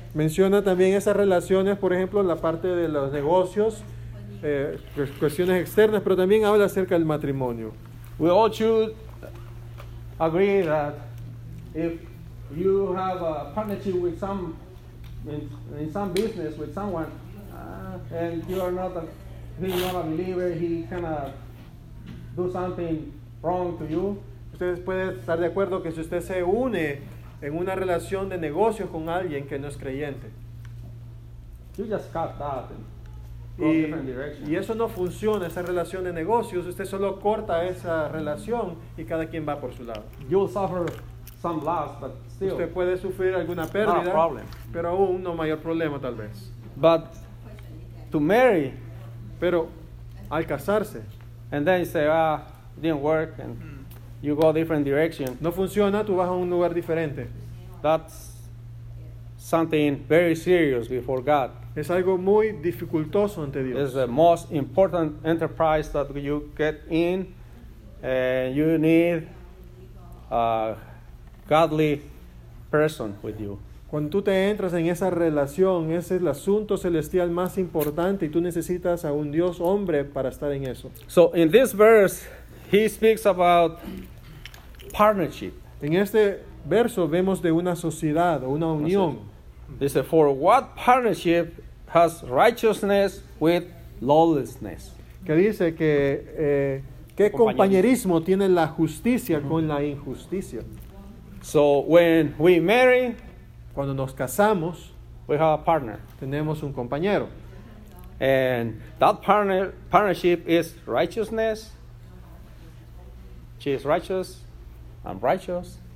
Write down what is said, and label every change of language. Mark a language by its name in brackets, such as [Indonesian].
[Spanish] Menciona también esas relaciones, por ejemplo, la parte de los negocios, cuestiones externas, pero también habla acerca del matrimonio. [English] We all should agree that if you have a partnership with in some business with someone, and you are not a believer, he kind of do something wrong to you. [Spanish] Ustedes pueden estar de acuerdo que si usted se une en una relación de negocios con alguien que no es creyente. [English] You just cut that [Spanish] y, y eso no funciona, esa relación de negocios. Usted solo corta esa relación y cada quien va por su lado. [English] You will suffer some loss, but still, [Spanish] usted puede sufrir alguna pérdida, pero aún no mayor problema tal vez. [English] But to marry, [Spanish] pero al casarse, [English] and then you say, didn't work, and you go a different direction. [Spanish] No funciona, tú vas a un lugar diferente. [English] That's something very serious before God. [Spanish] Es algo muy dificultoso ante Dios. [English] It's the most important enterprise that you get in, and you need a godly person with you. [Spanish] Cuando tú te entras en esa relación, ese es el asunto celestial más importante, y tú necesitas a un Dios hombre para estar en eso. [English] So in this verse, he speaks about partnership. [Spanish] En este verso vemos de una sociedad o una unión. [English] They say, for what partnership has righteousness with lawlessness? [Spanish] Que dice que qué compañerismo tiene la justicia con la injusticia. [English] So when we marry, [Spanish] cuando nos casamos, [English] we have a partner. [Spanish] Tenemos un compañero. [English] And that partnership is righteousness. She is righteous. I'm righteous.